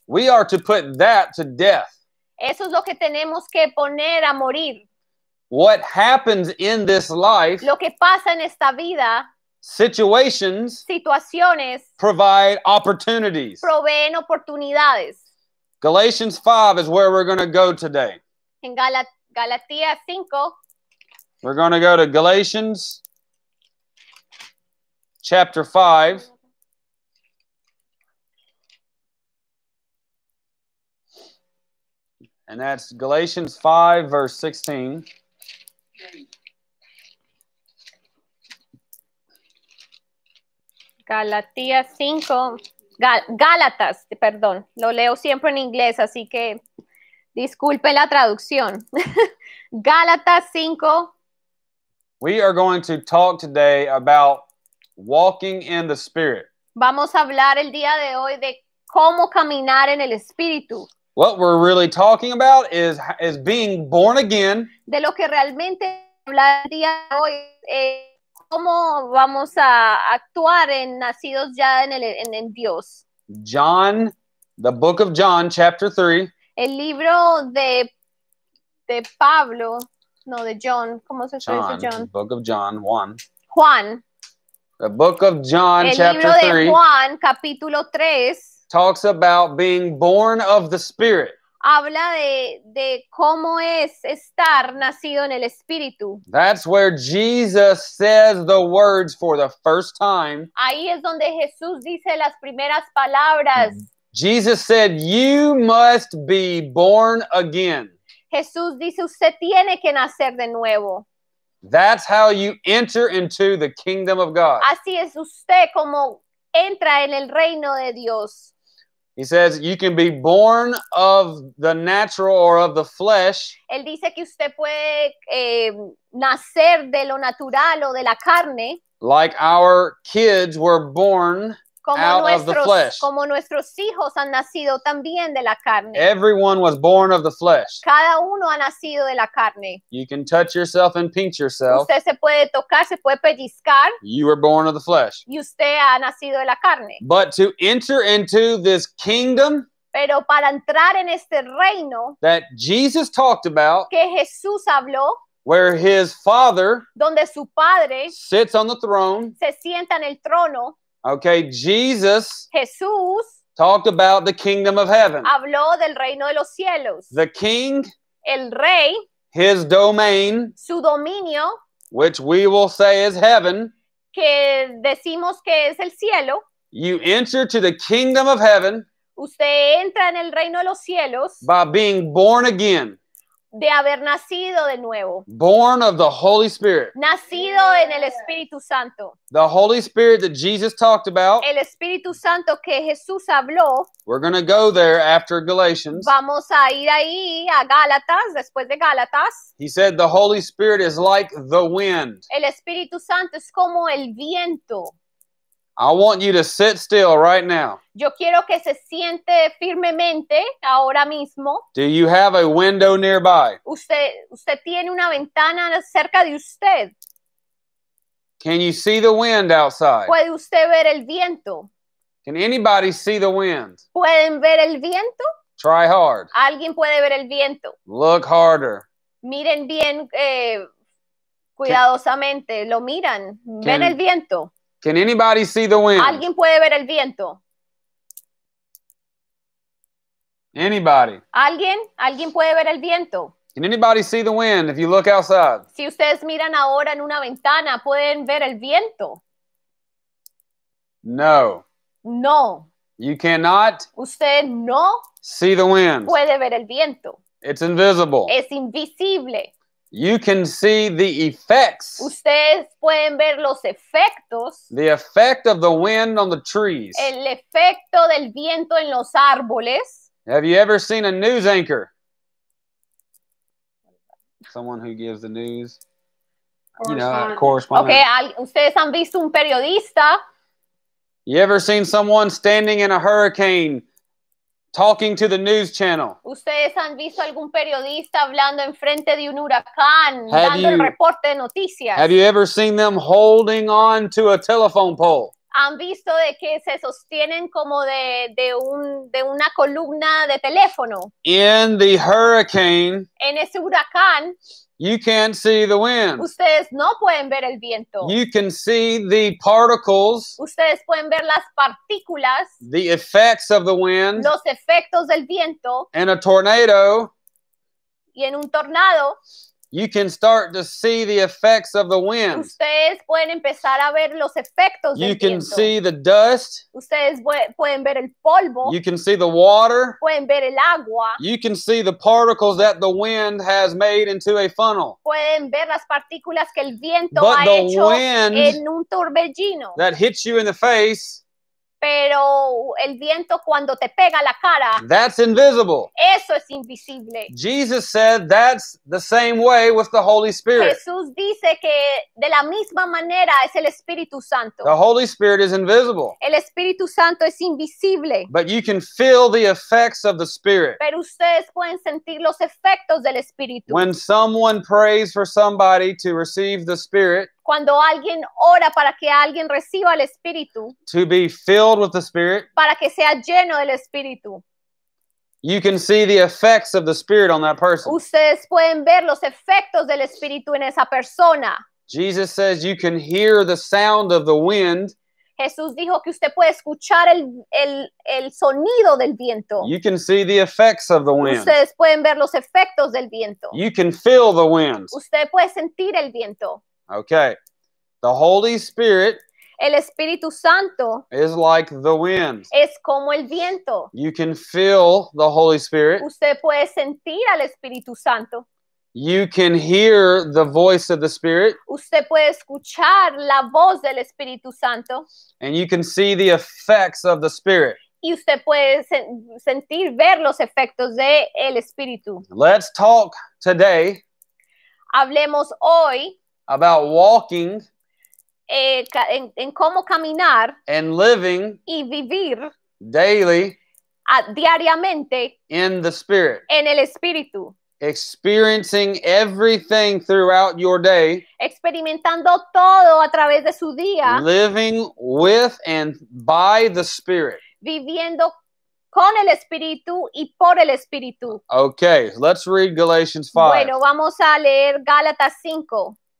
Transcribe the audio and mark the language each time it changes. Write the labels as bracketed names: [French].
[English] We are to put that to death. [Spanish] Eso es lo que tenemos que poner a morir. [English] What happens in this life? [Spanish] Lo que pasa en esta vida. [English] Situations. [Spanish] Situaciones. [English] Provide opportunities. [Spanish] Proveen oportunidades. [English] Galatians 5 is where we're going to go today. [Spanish] En Galatías 5. [English] We're going to go to Galatians chapter 5. And that's Galatians 5 verse 16. [Spanish] Galatías 5, Gálatas, perdón, lo leo siempre en inglés, así que disculpe la traducción. Gálatas 5. [English] We are going to talk today about walking in the Spirit. [Spanish] Vamos a hablar el día de hoy de cómo caminar en el Espíritu. [English] What we're really talking about is being born again. [Spanish] De lo que realmente hablar el día de hoy es cómo vamos a actuar en nacidos ya en el en Dios. [English] John, the book of John, chapter 3. [Spanish] El libro de Pablo, no, de John, ¿cómo se John, dice John? [English] The book of John, 1. [Spanish] Juan. [English] The book of John, [Spanish] el [English] chapter [Spanish] 3. El libro de Juan, capítulo 3. [English] Talks about being born of the Spirit. [Spanish] Habla de cómo es estar nacido en el Espíritu. [English] That's where Jesus says the words for the first time. [Spanish] Ahí es donde Jesús dice las primeras palabras. [English] Jesus said, you must be born again. [Spanish] Jesús dice, usted tiene que nacer de nuevo. [English] That's how you enter into the kingdom of God. [Spanish] Así es usted como entra en el reino de Dios. [English] He says you can be born of the natural or of the flesh. [Spanish] Él dice que usted puede nacer de lo natural o de la carne. [English] Like our kids were born [Spanish] como out nuestros, [English] of the flesh. [Spanish] Como nuestros hijos han nacido también de la carne. [English] Everyone was born of the flesh. [Spanish] Cada uno ha nacido de la carne. [English] You can touch yourself and pinch yourself. [Spanish] Usted se puede tocar, se puede pellizcar. [English] You were born of the flesh. [Spanish] Y usted ha nacido de la carne. [English] But to enter into this kingdom, [Spanish] pero para entrar en este reino, [English] that Jesus talked about, [Spanish] que Jesús habló, [English] where his father, [Spanish] donde su padre, [English] sits on the throne, [Spanish] se sienta en el trono. [English] Okay, Jesus, [Spanish] Jesús, [English] talked about the kingdom of heaven. [Spanish] Habló del reino de los cielos. [English] The king, [Spanish] el rey, [English] his domain, [Spanish] su dominio, [English] which we will say is heaven, [Spanish] que decimos que es el cielo. [English] You enter to the kingdom of heaven. [Spanish] Usted entra en el reino de los cielos. [English] By being born again. [Spanish] De haber nacido de nuevo. [English] Born of the Holy Spirit. [Spanish] Nacido yeah. en el Espíritu Santo. [English] The Holy Spirit that Jesus talked about. [Spanish] El Espíritu Santo que Jesús habló. [English] We're going to go there after Galatians. [Spanish] Vamos a ir ahí a Gálatas, después de Gálatas. [English] He said the Holy Spirit is like the wind. [Spanish] El Espíritu Santo es como el viento. [English] I want you to sit still right now. [Spanish] Yo quiero que se siente firmemente ahora mismo. [English] Do you have a window nearby? [Spanish] Usted tiene una ventana cerca de usted. [English] Can you see the wind outside? [Spanish] ¿Puede usted ver el viento? [English] Can anybody see the wind? [Spanish] ¿Pueden ver el viento? [English] Try hard. [Spanish] ¿Alguien puede ver el viento? [English] Look harder. [Spanish] Miren bien cuidadosamente. Lo miran. Ven el viento. [English] Can anybody see the wind? [Spanish] ¿Alguien puede ver el viento? [English] Anybody? [Spanish] ¿Alguien puede ver el viento? [English] Can anybody see the wind if you look outside? [Spanish] Si ustedes miran ahora en una ventana, ¿pueden ver el viento? [English] No. [Spanish] No. [English] You cannot. [Spanish] Usted no. [English] See the wind. [Spanish] Puede ver el viento. [English] It's invisible. [Spanish] Es invisible. [English] You can see the effects. [Spanish] Ustedes pueden ver los efectos. [English] The effect of the wind on the trees. [Spanish] El efecto del viento en los árboles. [English] Have you ever seen a news anchor? Someone who gives the news. You know, a correspondent. [Spanish] Okay, ustedes han visto un periodista. [English] You ever seen someone standing in a hurricane talking to the news channel? [Spanish] ¿Ustedes han visto algún periodista hablando enfrente de un huracán, dando el reporte de noticias? [English] Have you ever seen them holding on to a telephone pole? [Spanish] ¿Han visto de que se sostienen como de una columna de teléfono? [English] In the hurricane, [Spanish] en ese huracán, [English] you can't see the wind. [Spanish] Ustedes no pueden ver el viento. [English] You can see the particles. [Spanish] Ustedes pueden ver las partículas. [English] The effects of the wind. [Spanish] Los efectos del viento. [English] In a tornado. [Spanish] Y en un tornado. [English] You can start to see the effects of the wind. [Spanish] Ustedes pueden empezar a ver los efectos del viento. [English] You can see the dust. [Spanish] Ustedes pueden ver el polvo. [English] You can see the water. [Spanish] Pueden ver el agua. [English] You can see the particles that the wind has made into a funnel. [Spanish] Pueden ver las partículas que el viento [English] but [Spanish] ha [English] the [Spanish] hecho [English] wind [Spanish] en un torbellino [English] that hits you in the face. [Spanish] Pero el viento cuando te pega la cara. [English] That's invisible. [Spanish] Eso es invisible. [English] Jesus said that's the same way with the Holy Spirit. [Spanish] Jesús dice que de la misma manera es el Espíritu Santo. [English] The Holy Spirit is invisible. [Spanish] El Espíritu Santo es invisible. [English] But you can feel the effects of the Spirit. [Spanish] Pero ustedes pueden sentir los efectos del Espíritu. [English] When someone prays for somebody to receive the Spirit. [Spanish] cuando alguien ora para que alguien reciba el Espíritu, [English] to be filled with the Spirit, [Spanish] para que sea lleno del Espíritu, [English] you can see the effects of the Spirit on that person. [Spanish] Ustedes pueden ver los efectos del Espíritu en esa persona. [English] Jesus says you can hear the sound of the wind. [Spanish] Jesús dijo que usted puede escuchar el sonido del viento. [English] You can see the effects of the wind. [Spanish] Ustedes pueden ver los efectos del viento. [English] You can feel the wind. [Spanish] Usted puede sentir el viento. [English] Okay. The Holy Spirit, [Spanish] el Espíritu Santo, [English] is like the wind. [Spanish] Es como el viento. [English] You can feel the Holy Spirit. [Spanish] Usted puede sentir al Espíritu Santo. [English] You can hear the voice of the Spirit. [Spanish] Usted puede escuchar la voz del Espíritu Santo. [English] And you can see the effects of the Spirit. [Spanish] Y usted puede sentir, ver los efectos de el Espíritu. [English] Let's talk today. [Spanish] Hablemos hoy. [English] About walking. [Spanish] En cómo caminar. [English] And living. [Spanish] Y vivir. [English] Daily. [Spanish] Diariamente. [English] In the Spirit. [Spanish] En el Espíritu. [English] Experiencing everything throughout your day. [Spanish] Experimentando todo a través de su día. [English] Living with and by the Spirit. [Spanish] Viviendo con el Espíritu y por el Espíritu. [English] Okay, let's read Galatians 5. [Spanish] Bueno, vamos a leer Gálatas 5.